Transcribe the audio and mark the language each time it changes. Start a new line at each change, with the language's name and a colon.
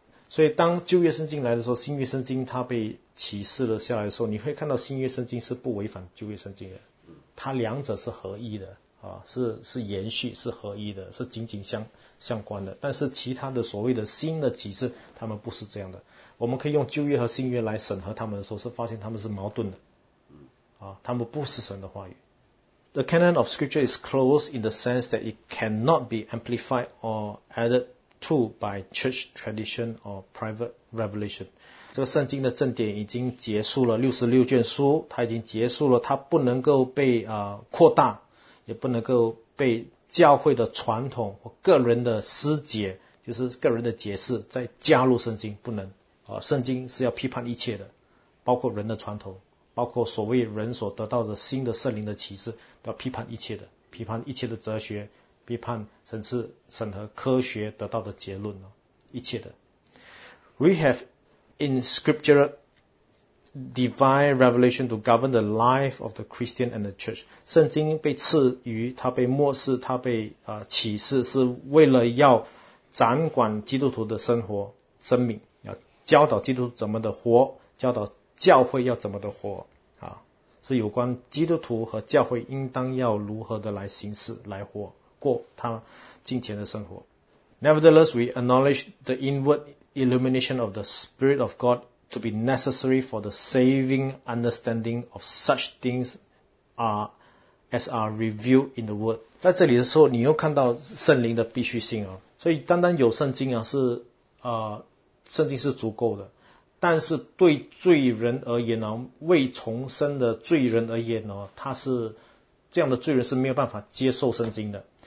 Chinese: 所以当旧约圣经来的时候，新约圣经它被启示了下来的时候，你会看到新约圣经是不违反旧约圣经的，它两者是合一的啊，是延续，是合一的，是紧紧相关的。但是其他的所谓的新的启示，他们不是这样的。我们可以用旧约和新约来审核他们的时候，是发现他们是矛盾的啊，他们不是神的话语。
English: The canon of scripture is closed in the sense that it cannot be amplified or added to by church tradition or private revelation。
Chinese: 这个圣经的正典已经结束了，66卷书它已经结束了，它不能够被扩大，也不能够被教会的传统或个人的思解，就是个人的解释再加入圣经，不能啊，圣经是要批判一切的，包括人的传统，包括所谓人所得到的新的圣灵的启示，都要批判一切的，批判一切的哲学，批判甚至审核科学得到的结论，一切的。
English: We have in scripture divine revelation to govern the life of the Christian and the church。
Chinese: 圣经被赐予，它被默示，它被启示，是为了要掌管基督徒的生活生命，教导基督怎么的活，教导教会要怎么的活啊，是有关基督徒和教会应当要如何的来行事，来活过他近前的生活。
English: Nevertheless, we acknowledge the inward illumination of the Spirit of God to be necessary for the saving understanding of such things as are revealed in the Word。
Chinese: 在这里的时候，你又看到圣灵的必须性啊，所以单单有圣经啊，是圣经是足够的，但是对罪人而言呢，未重生的罪人而言呢，他是这样的罪人是没有办法接受圣经的。